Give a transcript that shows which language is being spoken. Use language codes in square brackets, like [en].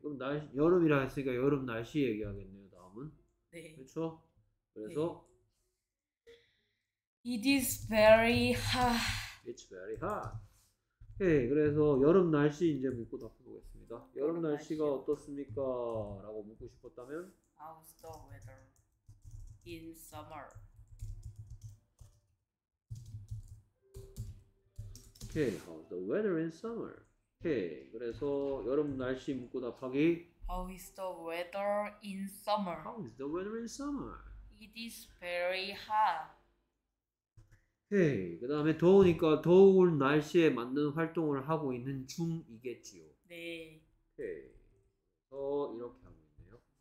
[ko] 그럼 날씨, 여름이라 했으니까 여름 날씨 얘기하겠네요, 다음은. 네. 그렇죠? 네. 그래서 [en] It is very hot. It's very hot. [ko] 오케이. 그래서 여름 날씨 이제 묻고 답해 보겠습니다. 여름 여름 날씨가 날씨요. 어떻습니까? 라고 묻고 싶었다면 [en] How's the weather in summer? [ko] 오케이, [en] how's the weather in summer? [ko] 오케이, 그래서 여름 날씨 묻고 답하기. [en] How is the weather in summer? How is the weather in summer? It is very hot. [ko] 오케이, 그 다음에 더우니까 더운 날씨에 맞는 활동을 하고 있는 중이겠지요. 네. 오케이, 또 이렇게 하고 있네요.